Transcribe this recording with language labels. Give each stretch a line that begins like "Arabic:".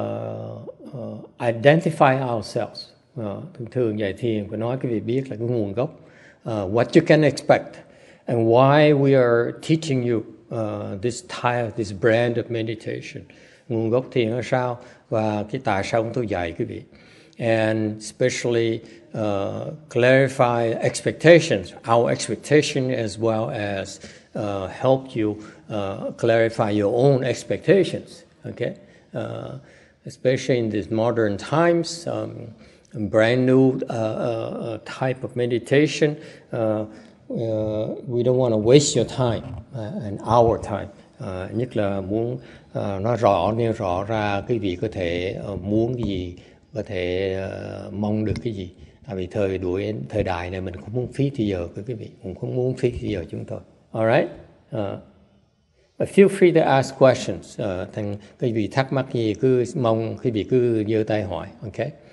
English: We identify ourselves.
Vietnamese: Thường dạy thiền có nói quý vị biết là cái nguồn gốc.
English: What you can expect and why we are teaching you. This brand of meditation,
Vietnamese: nguồn gốc thiền là sao và cái tại sao chúng tôi dạy quý vị,
English: and especially clarify expectations, our expectation as well as help you clarify your own expectations. Okay, especially in these modern times, brand new type of meditation. We don't want to waste your time and our time.
Vietnamese: Nhất là muốn nói rõ, nêu rõ ra quý vị có thể muốn gì, có thể mong được cái gì. Tại vì thời đại này mình không muốn phí thời giờ của quý vị, cũng không muốn phí thời giờ chúng tôi.
English: All right? Feel free to ask questions.
Vietnamese: Thành quý vị thắc mắc gì cứ mong, quý vị cứ giơ tay hỏi. Okay?